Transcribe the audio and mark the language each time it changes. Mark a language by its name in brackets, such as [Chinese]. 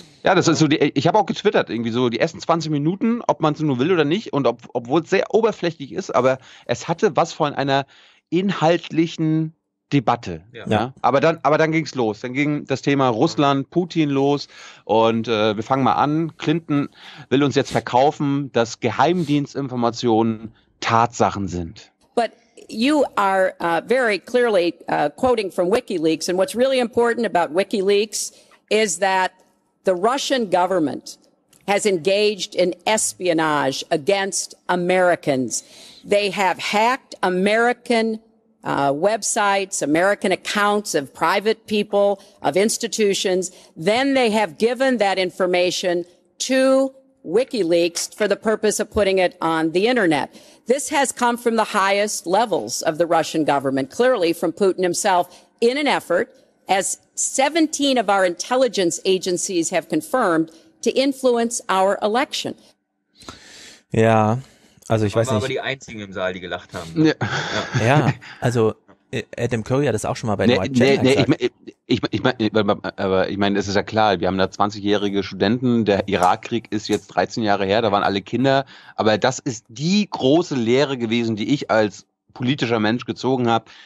[German] Ja, das ist so, ich habe auch getwittert, irgendwie so die ersten 20 Minuten, ob man es nur will oder nicht, und obwohl es sehr oberflächlich ist, aber es hatte was von einer inhaltlichen Debatte. Ja. Ja. Aber dann ging es los. Dann ging das Thema Russland, Putin los und wir fangen mal an. Clinton will uns jetzt verkaufen, dass Geheimdienstinformationen Tatsachen sind. [English] But you are very clearly quoting from WikiLeaks, and what's really important about WikiLeaks is that the Russian government has engaged in espionage against Americans. They have hacked American websites, American accounts of private people, of institutions. Then they have given that information to WikiLeaks for the purpose of putting it on the internet. This has come from the highest levels of the Russian government, clearly from Putin himself, in an effort, as 17 of our intelligence agencies have confirmed, to influence our election. [German] Ja, also ich weiß nicht. Aber die einzigen im Saal, die gelacht haben. Ja, ja. Also Adam Curry hat das auch schon mal bei Ich meine, es ist ja klar, wir haben da 20-jährige Studenten, der Irakkrieg ist jetzt 13 Jahre her, da waren alle Kinder, aber das ist die große Lehre gewesen, die ich als politischer Mensch gezogen habe.